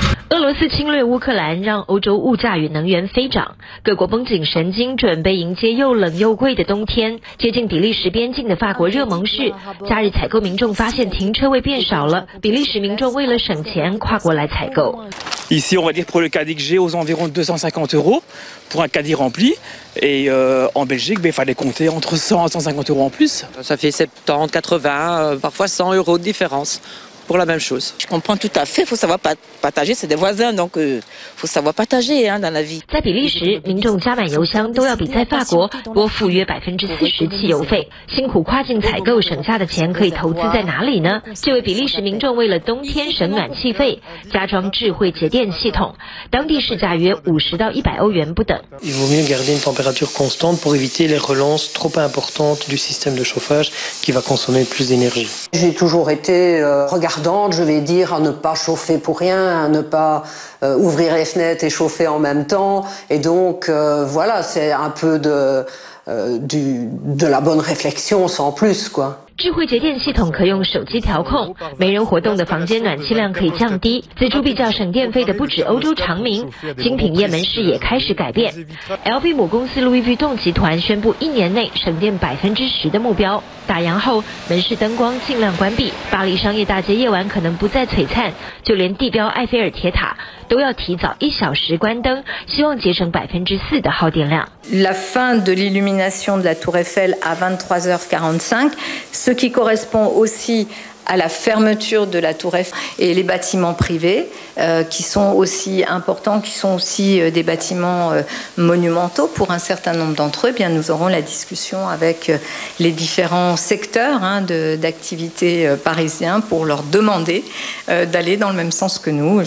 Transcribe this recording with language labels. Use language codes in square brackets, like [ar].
[zh] 俄罗斯侵略乌克兰让欧洲物价与能源飞涨，各国绷紧神经准备迎接又冷又贵的冬天。接近比利时边境的法国热蒙市，假日采购民众发现停车位变少了，比利时民众为了省钱跨国来采购。 [fr] Ici, on va dire pour le caddie que j'ai aux environs 250 euros pour un caddie rempli. Et en Belgique, il fallait compter entre 100 et 150 euros en plus. Ça fait 70, 80, parfois 100 euros de différence. Pour la même chose. Je comprends tout à fait, il faut savoir partager, c'est des voisins, donc faut savoir partager hein, dans la vie. [zh] 在比利时，民众加满油箱都要比在法国多付约40%汽油费。辛苦跨境采购省下的钱可以投资在哪里呢？这位比利时民众为了冬天省暖气费，加装智慧节电系统，当地市价约50到100欧元不等。 [fr] Il vaut mieux garder une température constante pour éviter les relances trop importantes du système de chauffage qui va consommer plus d'énergie. J'ai toujours été regardante, je vais dire, à ne pas chauffer pour rien, à ne pas ouvrir les fenêtres et chauffer en même temps. Et donc, voilà, c'est un peu de la bonne réflexion sans plus, quoi. [zh] 智慧节电系统可用手机调控，没人活动的房间暖气量可以降低。锱铢必较省电费的不止欧洲长明，精品业门市也开始改变。 LV 母公司 Louis Vuitton 集团宣布一年内省电10%的目标。打烊后，门市灯光尽量关闭。巴黎商业大街夜晚可能不再璀璨，就连地标埃菲尔铁塔都要提早一小时关灯，希望节省4%的耗电量。 [fr] La fin de l'illumination de la Tour Eiffel à 23h45. Ce qui correspond aussi à la fermeture de la tour Eiffel et les bâtiments privés, qui sont aussi importants, qui sont aussi des bâtiments monumentaux pour un certain nombre d'entre eux. Bien, nous aurons la discussion avec les différents secteurs hein, d'activité parisiens pour leur demander d'aller dans le même sens que nous.